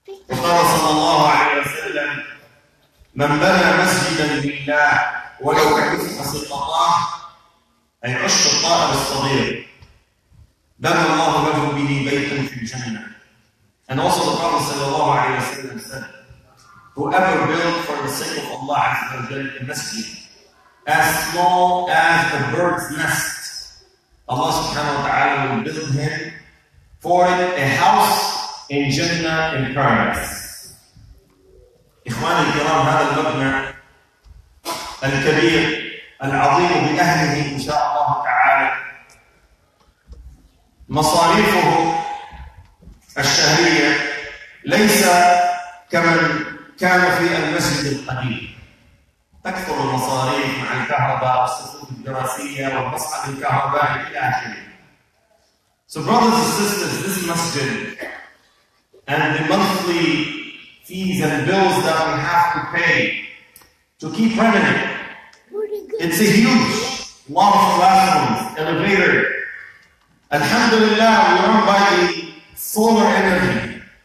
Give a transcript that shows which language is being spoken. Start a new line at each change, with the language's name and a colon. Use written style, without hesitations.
Arabic: وقال صلى الله عليه وسلم من بنى مسجدا لله ولو كفح سقطاه أي عش الطائر الصغير بنى الله له به بيتا في الجنة.
English: And also the Prophet صلى الله عليه وسلم said whoever built for the sake of Allah عز وجل a masjid as small as a bird's nest Allah subhanahu wa ta'ala will build him for a house in Jannah in paradise.
Arabic: إخواني الكرام هذا المبنى الكبير العظيم بأهله إن شاء الله تعالى مصاريفه الشهرية ليس كمن كان في المسجد القديم تكثر المصاريف مع الكهرباء والصفوف الدراسية والمصحف الكهربائي إلى آخره.
English: So brothers and sisters, this masjid and the monthly fees and bills that we have to pay to keep running it, it's a huge lot of classrooms, elevator. Alhamdulillah, we run by the solar energy.